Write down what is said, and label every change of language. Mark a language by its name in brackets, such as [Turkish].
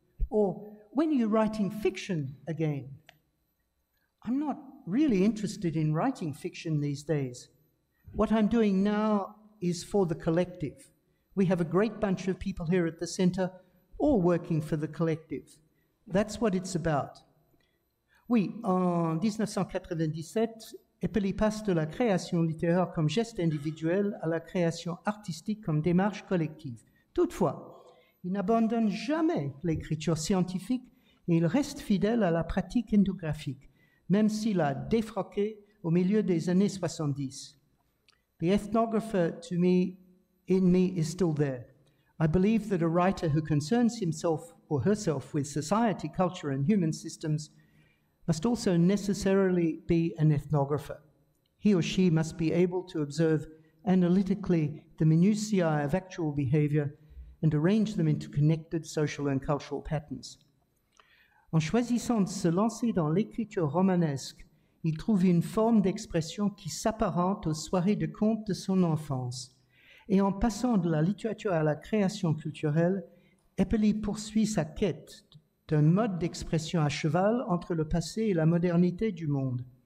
[English] Or when are you writing fiction again? I'm not really interested in writing fiction these days. What I'm doing now is for the collective. We have a great bunch of people here at the center, all working for the collective. That's what it's about. [French] Oui, en 1997, Epeli passe de la création littéraire comme geste individuel à la création artistique comme démarche collective. Toutefois, il n'abandonne jamais l'écriture scientifique et il reste fidèle à la pratique ethnographique, même s'il a défroqué au milieu des années 70. [English] The ethnographer to me, in me, is still there. I believe that a writer who concerns himself or herself with society, culture and human systems must also necessarily be an ethnographer. He or she must be able to observe analytically the minutiae of actual behavior and arrange them into connected social and cultural patterns. [French] En choisissant de se lancer dans l'écriture romanesque, il trouve une forme d'expression qui s'apparente aux soirées de contes de son enfance. Et en passant de la littérature à la création culturelle, Epeli poursuit sa quête d'un mode d'expression à cheval entre le passé et la modernité du monde.